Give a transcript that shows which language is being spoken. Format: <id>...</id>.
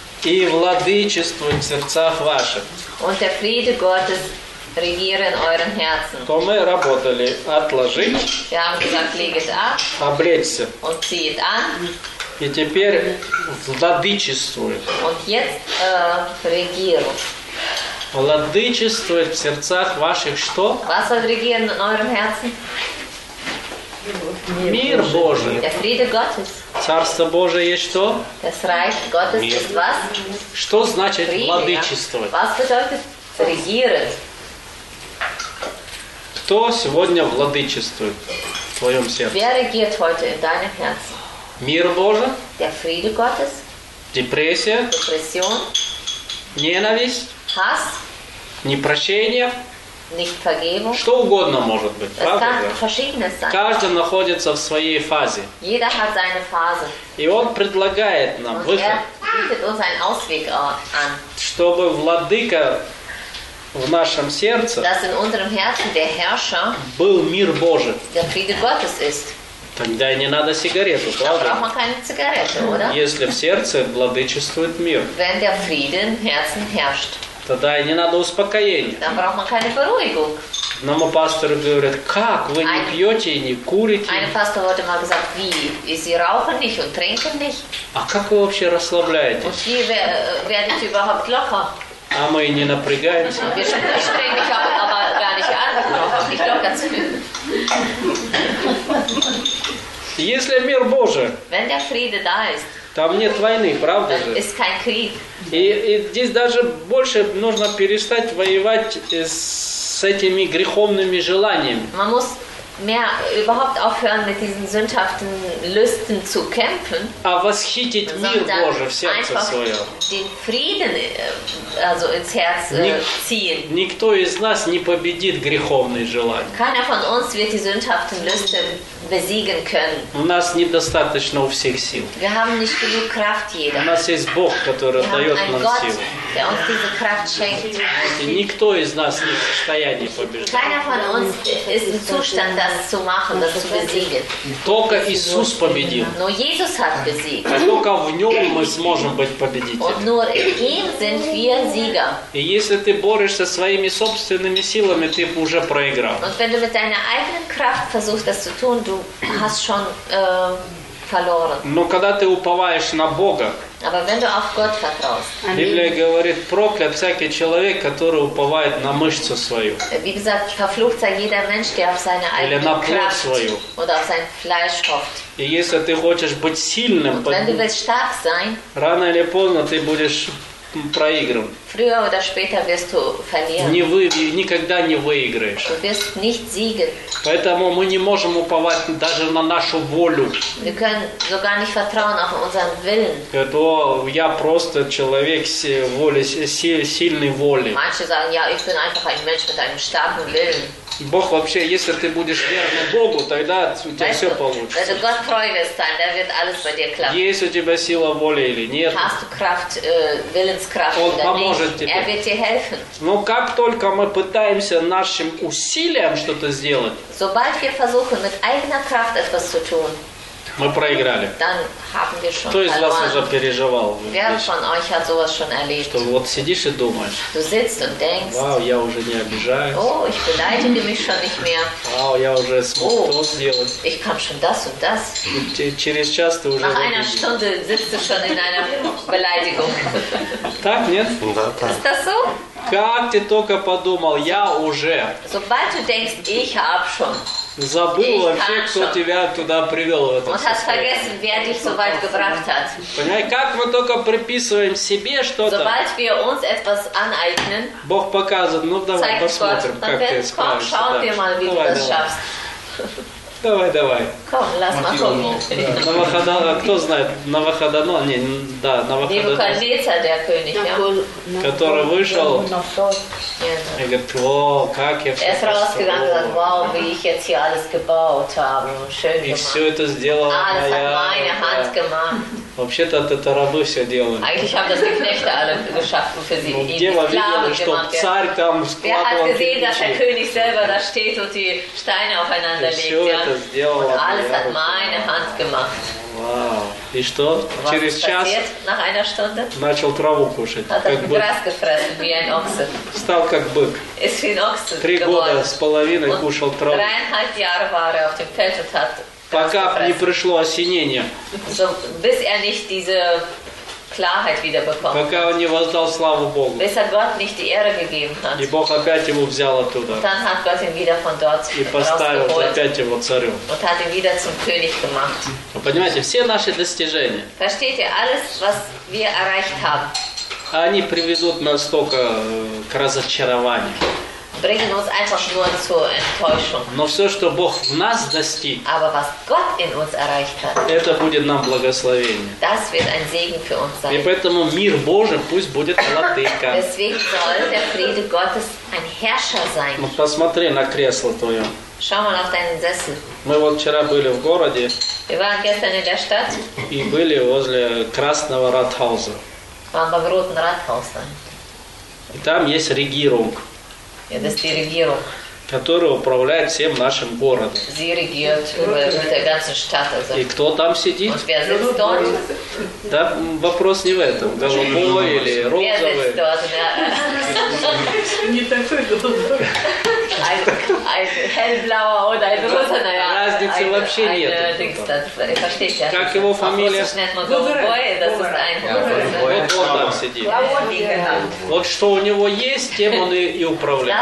<ru>И владычествует в сердцах ваших.</ru> <de>Und der Friede Gottes regiere in euren Herzen.</de> <ru>То мы работали отложить.</ru> <de>Wir haben gesagt, legt ab.</de> <ru>Облечься.</ru> <de>Und zieht an.</de> <ru>И теперь владычествует.</ru> <de>Und jetzt regiert.</de> <ru>Владычествует в сердцах ваших что?</ru> <de>Was soll regieren in euren Herzen?</de> <ru>Мир Божий.</ru> <de>Der Friede Gottes.</de> <ru>Царство Божие есть что?</ru> <de>Das Reich Gottes ist was?</de> <ru>Что значит владычествовать?</ru> <de>Was bedeutet regieren?</de> <ru>Кто сегодня владычествует в твоем сердце?</ru> <de>Wer regiert heute in deinem Herzen?</de> <ru>Мир Божий?</ru> <de>Der Friede Gottes?</de> <ru>Депрессия?</ru> <de>Depression?</de> <ru>Ненависть?</ru> <de>Hass?</de> <ru>Непрощение?</ru> <de>Nicht vergeben.</de> <ru>Что угодно может быть,</ru> <de>es</de> <ru>правда?</ru> <de>Kann verschiedenes sein.</de> <ru>Каждый находится в своей фазе.</ru> <de>Jeder hat seine Phase.</de> <ru>И он предлагает нам</ru> <de>Und</de> <ru>выход.</ru> <de>Er bietet uns einen Ausweg an.</de> <ru>Чтобы владыка в нашем сердце</ru> <de>dass in unserem Herzen der Herrscher</de> <ru>был мир Божий.</ru> <de>Der Friede Gottes ist.</de> <ru>Тогда и не надо сигарету, правда?</ru> <de>Da braucht man keine Zigarette, oder?</de> <ru>Если в сердце владычествует мир.</ru> <de>Wenn der Friede im Herzen herrscht.</de> <ru>Тогда и не надо успокоения.</ru> <de>Там braucht man keine Beruhigung.</de> <ru>Одному пастору говорят, как вы не пьете и не курите?</ru> <de>Ein Pastor wurde mal gesagt, wie? Sie rauchen nicht und trinken nicht?</de> <ru>А как вы вообще расслабляетесь?</ru> <de>Und wie werdet ihr überhaupt locker?</de> <ru>А мы и не напрягаемся.</ru> <de>Wir sind nicht ständig, aber gar nicht angekommen, nicht locker zu fühlen.</de> <ru>Если мир Божий,</ru> <de>wenn der Friede da ist,</de> <ru>там нет войны, правда же?</ru> <de>Ist kein Krieg.</de> <ru>И здесь даже больше нужно перестать воевать с этими греховными желаниями.</ru> <de>Man muss mehr überhaupt aufhören, mit diesen sündhaften Lüsten zu kämpfen.</de> <ru>А восхитить мир Божий в сердце свое.</ru> <de>Den Frieden also ins Herz ziehen.</de> <ru>Никто из нас не победит греховные желания.</ru> <de>Keiner von uns wird die sündhaften Lüste besiegen können.</de> <ru>У нас недостаточно у всех сил.</ru> <de>Wir haben nicht genug Kraft, jeder.</de> <ru>У нас есть Бог, который дает нам силу.</ru> <de>Der uns diese Kraft schenkt.</de> <ru>Никто из нас не в состоянии побеждать.</ru> <de>Keiner von uns ist im Zustand, das zu machen, das zu besiegen.</de> <ru>Только Иисус победил.</ru> <de>Но Jesus hat besiegt.</de> <ru>А только в нем мы сможем быть победителями.</ru> <de>Und nur ihm sind wir Sieger.</de> <ru>И если ты борешься своими собственными силами, ты уже проиграл.</ru> <de>Und wenn du mit deiner eigenen Kraft versuchst, das zu tun, du hast schon verloren.</de> <ru>Но когда ты уповаешь на Бога,</ru> <de>aber wenn du auf Gott vertraust,</de> <ru>Библия говорит, проклят всякий человек, который уповает на мышцу свою.</ru> <de>Wie gesagt, verflucht sei jeder Mensch, der auf seine eigene Kraft</de> <ru>свою.</ru> <de>Oder auf sein Fleisch hofft.</de> <ru>И если ты хочешь быть сильным,</ru> <de>wenn du willst stark sein,</de> <ru>рано или поздно ты будешь проигрываем.</ru> <de>Früher oder später wirst du verlieren.</de> <ru>Никогда не выиграешь.</ru> <de>Du wirst nicht siegen.</de> <ru>Поэтому мы не можем уповать даже на нашу волю.</ru> <de>Wir können sogar nicht vertrauen auf unseren Willen.</de> <ru>Я просто человек с волей, сильной воли.</ru> <de>Manche sagen, ja, ich bin einfach ein Mensch mit einem starken Willen.</de> <ru>Бог вообще, если ты будешь верным Богу, тогда у тебя</ru> <de>weißt</de> <ru>все получится.</ru> <de>Wenn du Gott treu wirst, dann wird alles bei dir klappen.</de> <ru>Есть у тебя сила воли или нет?</ru> <de>Hast du Kraft, Willenskraft oder nicht?</de> <ru>Он поможет тебе.</ru> <de>Er wird dir helfen.</de> <ru>Но как только мы пытаемся нашим усилием что-то сделать,</ru> <de>sobald wir versuchen mit eigener Kraft etwas zu tun,</de> <ru>мы проиграли.</ru> <de>Dann haben wir schon</de> <ru>Кто из вас уже переживал?</ru> <de>Wer von euch hat sowas schon erlebt?</de> <ru>Что вот сидишь и думаешь.</ru> <de>Du sitzt und denkst.</de> <ru>Вау, я уже не обижаюсь.</ru> <de>Oh, ich beleidige mich schon nicht mehr.</de> <ru>Вау, я уже смог то сделать.</ru> <de>Ich kann schon das und das.</de> <ru>Через час ты уже.</ru> <de>Nach einer Stunde sitzt du schon in einer Beleidigung.</de> <ru>Так, нет? Да, так.</ru> <de>Ist das so?</de> <ru>Как ты только подумал, я уже.</ru> <de>Sobald du denkst, ich hab schon.</de> <ru>Забыл вообще, кто тебя туда привел.</ru> <de>Und hast vergessen, wer dich so weit gebracht hat.</de> <ru>Понимаете, как мы только приписываем себе что-то.</ru> <de>Sobald wir uns etwas aneignen.</de> <ru>Бог показывает, ну давай посмотрим, как ты справишься.</ru> <de>Komm, schau dir mal, wie du das schaffst.</de> <ru>Давай, давай.</ru> <de>Komm, lass mal gucken.</de> <ru>Новоходоно, кто знает, Новоходоно, не, да, Новоходоно.</ru> <de>Невуказица, der König,</de> <ru>который вышел и говорит, о, как я все построил.</ru> <de>Er ist rausgegangen und sagt, wow, wie ich jetzt hier alles gebaut habe. Schön gemacht.</de> <ru>И все это сделал моя.</ru> <de>Alles hat meine Hand gemacht.</de> <ru>Вообще-то это рабы все делали.</ru> <de>Eigentlich haben das die Knechte alle geschafft für sie.</de> <ru>Ну, где мы видели, что царь там складывал.</ru> <de>Wer hat gesehen, dass der König selber da steht und die Steine aufeinander legt, ja? Alles hat meine Hand gemacht.</de> <ru>Wow. И что?</ru> <de>Was</de> <ru>через час</ru> <de>nach einer Stunde?</de> <ru>Начал траву кушать. Hat как бык.</ru> <de>Gras gefressen, wie ein Ochse.</de> <ru>Стал как бык.</ru> <de>Ist wie ein Ochse geworden.</de> <ru>Три года с половиной und кушал траву.</ru> <de>Dreieinhalb Jahre war auf dem Feld und hat</de> <ru>пока не пришло осенение.</ru> <de>So, bis nicht diese Klarheit wieder bekommt.</de> <ru>Пока он не воздал славу Богу.</ru> <de>Bis Gott nicht die Ehre gegeben hat.</de> <ru>И Бог опять его взял оттуда.</ru> <de>Dann hat Gott ihn wieder von dort</de> <ru>и поставил опять его царем.</ru> <de>Und hat ihn wieder zum König gemacht.</de> <ru>Вы понимаете, все наши достижения.</ru> <de>Versteht ihr, alles, was wir erreicht haben.</de> <ru>Они приведут нас только к разочарованию.</ru> <de>Bringen uns einfach nur zur Enttäuschung.</de> <ru>Но все, что Бог в нас достиг,</ru> <de>aber was Gott in uns erreicht hat,</de> <ru>это будет нам благословение.</ru> <de>Das wird ein Segen für uns sein.</de> <ru>И поэтому мир Божий пусть будет владыка.</ru> <de>Deswegen soll der Friede Gottes ein Herrscher sein.</de> <ru>Ну, посмотри на кресло твое.</ru> <de>Schau mal auf deinen Sessel.</de> <ru>Мы вот вчера были в городе.</ru> <de>Wir waren gestern in der Stadt.</de> <ru>И были возле Красного Ратхауса.</ru> <de>Waren beim Roten Rathaus dann.</de> <ru>И там есть Regierung. Это Регирум, который управляет всем нашим городом.</ru> <de>Sie regiert über die ganze Stadt, also.</de> <ru>И кто там сидит?</ru> <de>Und wer sitzt dort?</de> <ru>Да, вопрос не в этом. Голубой или розовый?</ru> <de>Wer sitzt dort?</de> <ru>не такой голубой.</ru> <de>Hellblauer oder ein rosa, naja.</de> <ru>Разницы вообще нет. Как его фамилия?</ru> <de>Голубой, das ist ein</de> <ru>rosa. Вот он там сидит. Вот что у него есть, тем он и управляет.</ru>